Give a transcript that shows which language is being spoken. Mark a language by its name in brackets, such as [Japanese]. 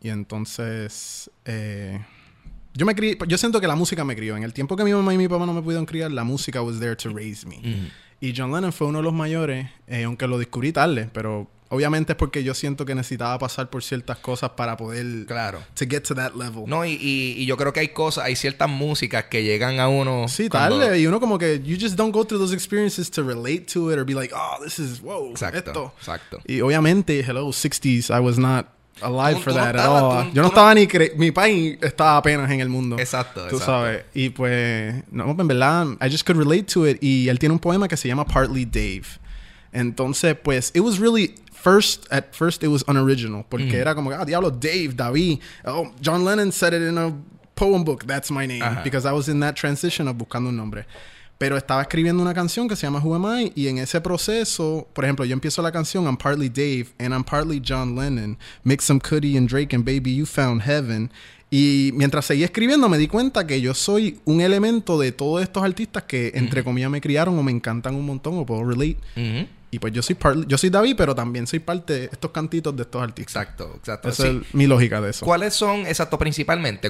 [Spanish] Y entonces yo siento que la música me crió. En el tiempo que mi mamá y mi papá no me pudieron criar, la música [English] was there to raise me. [Spanish] Y John Lennon fue uno de los mayores, aunque lo descubrí tarde, pero obviamente es porque yo siento que necesitaba pasar por ciertas cosas para poder... Claro. [English] To get to that level. [Spanish] No, y yo creo que hay ciertas músicas que llegan a uno... Sí, tarde. Y uno como que... [English] You just don't go through those experiences to relate to it or be like, oh, this is... Whoa, [Spanish] exacto, esto. Exacto. Y obviamente, [English] hello, 60s, I was not alive for that at all. [Spanish] Yo no estaba ni... Mi pai estaba apenas en el mundo. Exacto, tú sabes. Y pues... No, en verdad, [English] I just could relate to it. [Spanish] Y él tiene un poema que se llama Partly Dave. Entonces, pues, [English] it was really... At first, it was unoriginal. [Spanish] Porque era como, ah, diablo, [English] Dave, David. Oh, John Lennon said it in a poem book. That's my name. Uh-huh. Because I was in that transition of [Spanish] buscando un nombre. Pero estaba escribiendo una canción que se llama Who Am I? Y en ese proceso, por ejemplo, yo empiezo la canción, [English] I'm partly Dave and I'm partly John Lennon. Mix some Cudi and Drake and baby, you found heaven. [Spanish] Y mientras seguí escribiendo, me di cuenta que yo soy un elemento de todos estos artistas que, entre comillas, me criaron o me encantan un montón o puedo relate. Y pues yo soy David, pero también soy parte de estos cantitos de estos artistas. Exacto, exacto. Esa es mi lógica de eso. ¿Cuáles son, exacto, principalmente?